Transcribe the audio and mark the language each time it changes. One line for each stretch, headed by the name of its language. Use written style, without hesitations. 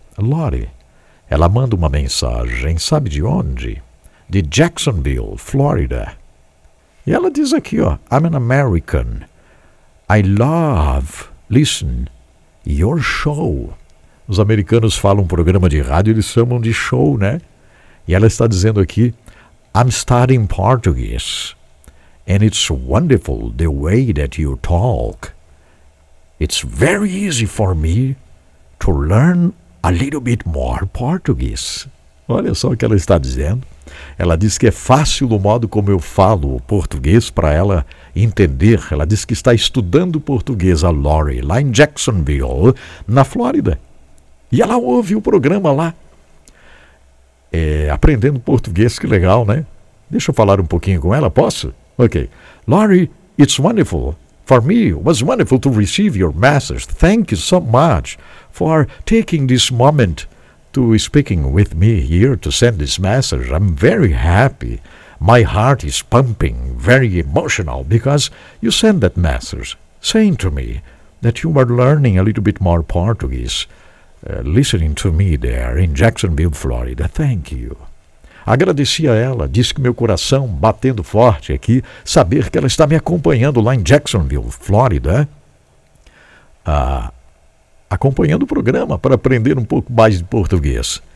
Portuguese: Lori, ela manda uma mensagem, sabe de onde? De Jacksonville, Florida. E ela diz aqui, ó,
English: I'm an American. I love, listen, your show.
Portuguese: Os americanos falam um programa de rádio, eles chamam de show, né? E ela está dizendo aqui,
English: I'm studying Portuguese, and it's wonderful the way that you talk. It's very easy for me to learn a little bit more Portuguese.
Portuguese: Olha só o que ela está dizendo. Ela diz que é fácil o modo como eu falo português para ela entender. Ela diz que está estudando português, a Lori, lá em Jacksonville, na Flórida. E ela ouve o programa lá, aprendendo português, que legal, né? Deixa eu falar um pouquinho com ela, posso?
English: Ok. Lori, it's wonderful. For me, it was wonderful to receive your message. Thank you so much for taking this moment to speaking with me here to send this message. I'm very happy. My heart is pumping, very emotional, because you send that message saying to me that you are learning a little bit more Portuguese. Listening to me there in Jacksonville, Florida. Thank you.
Portuguese: Agradeci a ela, disse que meu coração batendo forte aqui, saber que ela está me acompanhando lá em Jacksonville, Florida, acompanhando o programa para aprender um pouco mais de português.